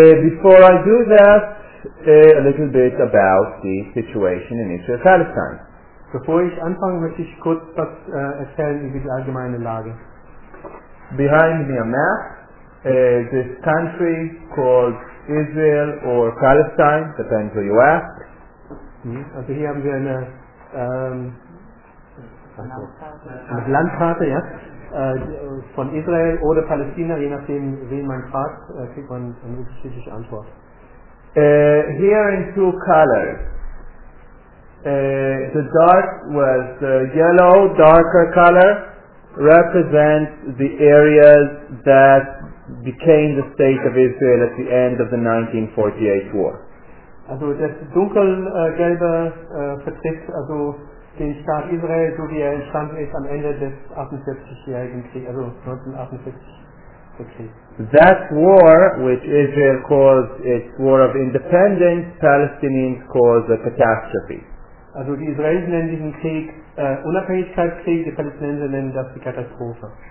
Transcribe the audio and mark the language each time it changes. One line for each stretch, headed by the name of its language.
English: Before I do that, a little bit about the situation in Israel-Palestine.
German: Bevor ich anfange, möchte ich kurz was erzählen über die allgemeine Lage.
English: Behind me a map, this country called Israel or Palestine, depends who you ask.
German: Also hier haben wir eine Landkarte, ja, von Israel oder Palästina, je nachdem, wen man fragt, kriegt man eine unterschiedliche Antwort.
English: Here in two colors. The dark, well, the yellow, darker color represents the areas that became the state of Israel at the end of the 1948 war.
German: Also das dunkelgelbe vertritt also den Staat Israel, so wie er entstanden ist am Ende des 48-jährigen Krieges, also 1948.
English: That war, which Israel calls its war of independence, Palestinians call a catastrophe.
German: Also die Israelis nennen diesen Krieg Unabhängigkeitskrieg, die Palästinenser nennen das die Katastrophe.